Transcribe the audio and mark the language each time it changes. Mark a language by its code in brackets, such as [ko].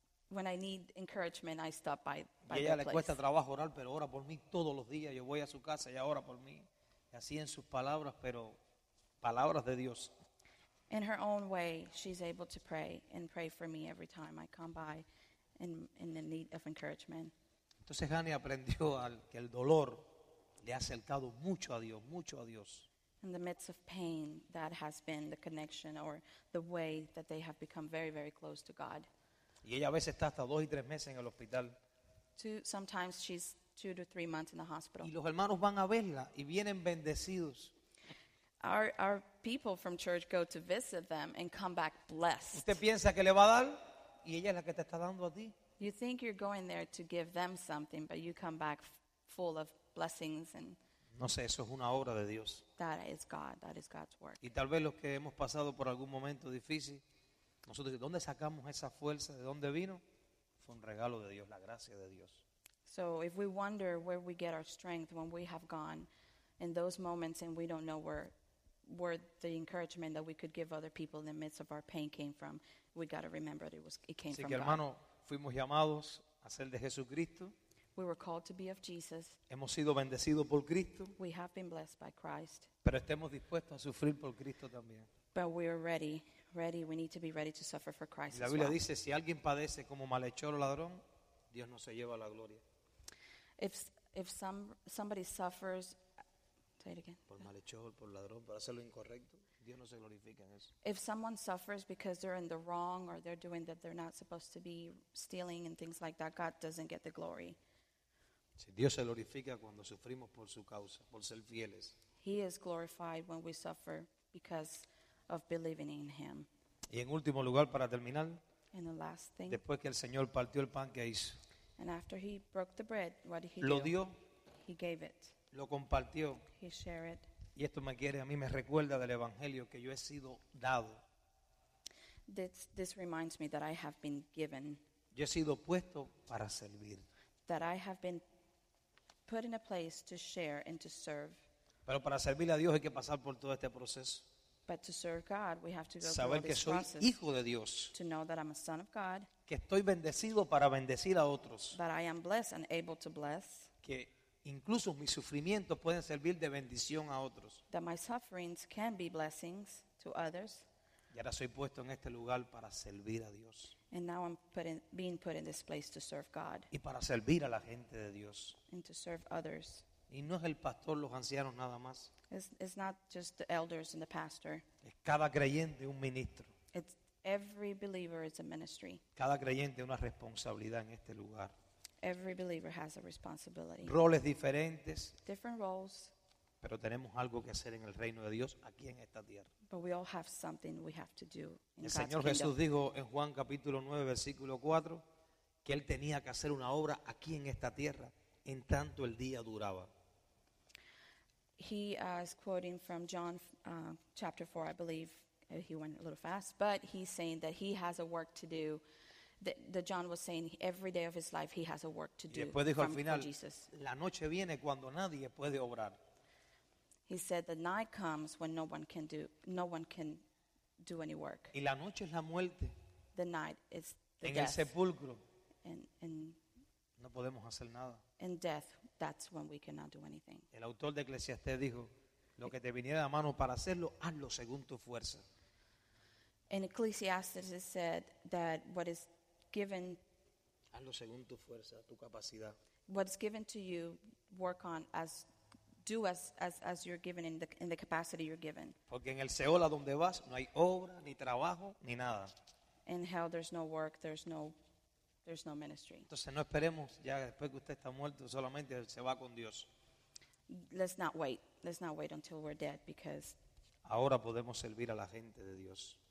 [en] When I need encouragement, I stop by the place. [es] Y ella le cuesta trabajo orar, pero ora por mí todos los días. Yo voy a su casa y ora por mí. Y así en sus palabras, pero palabras de Dios. [en] In her own way, she's able to pray and pray for me every time I come by in the need of encouragement. [es] Entonces Hani aprendió que el dolor le ha acercado mucho a Dios, mucho a Dios. [en] In the midst of pain, that has been the connection or the way that they have become very, very close to God. [es] Y ella a veces está hasta 2 y 3 meses en el hospital. [en] Sometimes she's 2 to 3 months in the hospital. [es] Y los hermanos van a verla y vienen bendecidos. [en] Our people from church go to visit them and come back blessed. [es] Usted piensa que le va a dar y ella es la que te está dando a ti. [en] You think you're going there to give them something, but you come back full of blessings and. [es] No sé, eso es una obra de Dios. [en] That is God. That is God's work. [es] Y tal vez los que hemos pasado por algún momento difícil, nosotros, ¿de dónde sacamos esa fuerza? ¿De dónde vino? Fue un regalo de Dios, la gracia de Dios. [en] So if we wonder where we get our strength when we have gone in those moments and we don't know where the encouragement that we could give other people in the midst of our pain came from, we got to remember that it came from God. [es] Hermano, fuimos llamados a ser de Jesucristo. [en] We were called to be of Jesus. [es] Hemos sido bendecidos por Cristo. [en] We have been blessed by Christ. [es] Pero estemos dispuestos a sufrir por Cristo también. [en] But we are ready. Ready. We need to be ready to suffer for Christ. [es] La Biblia [en] as well. [es] Dice, si alguien padece como malhechor o ladrón, Dios no se lleva la gloria. [en] If somebody suffers, say it again. [es] Por malhechor, por ladrón, por hacerlo incorrecto. Dios no se glorifica en eso. [en] If someone suffers because they're in the wrong or they're doing that they're not supposed to be stealing and things like that, God doesn't get the glory. [es] Si Dios se glorifica cuando sufrimos por su causa, por ser fieles. [en] He is glorified when we suffer because of believing in him. [es] Y en último lugar, para terminar, [en] and the last thing, [es] después que el Señor partió el pan, ¿qué hizo? [en] And after he broke the bread, what did he [es] lo [en] do? [es] Dio, [en] he gave it. [es] Lo compartió. [en] He shared it. [es] Y esto me quiere, a mí me recuerda del evangelio que yo he sido dado. [en] This reminds me that I have been given. [es] Yo he sido puesto para servir. [en] That I have been put in a place to share and to serve. [es] Pero para servir a Dios hay que pasar por todo este proceso. [en] But to serve God, we have to go [es] saber que [en] this [es] soy [en] process. [es] Hijo de Dios. [en] To know that I'm a son of God. [es] Que estoy bendecido para bendecir a otros. [en] That I am blessed and able to bless. [es] Que incluso mis sufrimientos pueden servir de bendición a otros. [en] That my sufferings can be blessings to others. [es] Y ahora soy puesto en este lugar para servir a Dios. [en] And now I'm being put in this place to serve God. [es] Y para servir a la gente de Dios. [en] And to serve others. [es] Y no es el pastor, los ancianos nada más. [en] It's not just the elders and the pastor. [es] Es cada creyente un ministro. [en] It's every believer is a ministry. [es] Cada creyente una responsabilidad en este lugar. [en] Every believer has a responsibility. [es] Roles diferentes. [en] Different roles. [es] Pero tenemos algo que hacer en el reino de Dios aquí en esta tierra. [en] But we all have something we have to do in God's kingdom. [es] El Señor Jesús dijo en Juan capítulo 9 versículo 4 que él tenía que hacer una obra aquí en esta tierra en tanto el día duraba. [en] He is quoting from John chapter 4, I believe. He went a little fast, but he's saying that he has a work to do. That John was saying every day of his life he has a work to do. [es] Y después dijo [en] from, [es] al final, [en] Jesus. [es] La noche viene cuando nadie puede obrar. [en] He said the night comes when no one can do any work. [es] Y la noche es la muerte. [en] The night is the [es] en [en] death. [es] En el sepulcro. [en] And [es] no podemos hacer nada. [en] In death, that's when we cannot do anything. [es] El autor de Eclesiastés dijo, lo que te viniera a mano para hacerlo, hazlo según tu fuerza. [en] In Ecclesiastes it said that what is given, [es] hazlo según tu fuerza, tu capacidad. [en] What's given to you, work on as do as you're given in the capacity you're given. [es] Porque en el Seol a donde vas no hay obra ni trabajo ni nada. [en] In hell there's no work, there's no ministry. [es] Entonces no esperemos ya después que usted está muerto solamente se va con Dios. [en] Let's not wait. Let's not wait until we're dead because [es] ahora podemos servir a la gente de Dios.